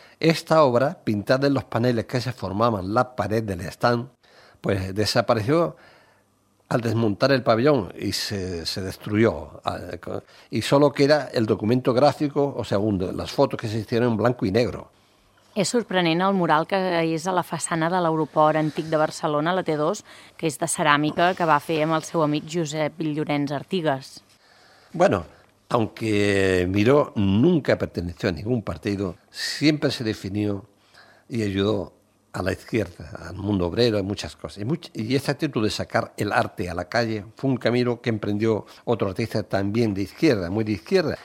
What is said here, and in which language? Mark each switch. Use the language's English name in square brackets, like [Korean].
[Spanish] Esta obra, pintada en los paneles que se formaban la pared del stand, pues desapareció al desmontar el pabellón y se destruyó. Y solo queda el documento gráfico, o sea, las fotos que se hicieron en blanco y negro. [Catalan] És sorprenent el mural que és a la façana de l'aeroport antic de Barcelona, la T2, que és de ceràmica, que va fer amb el seu amic Josep Llorenç Artigas. [Spanish] Bueno, aunque Miró nunca perteneció a ningún partido, siempre se definió y ayudó a la izquierda, al mundo obrero, muchas cosas. Y esta actitud de sacar el arte a la calle fue un camino que emprendió otro artista también de izquierda, muy de izquierda.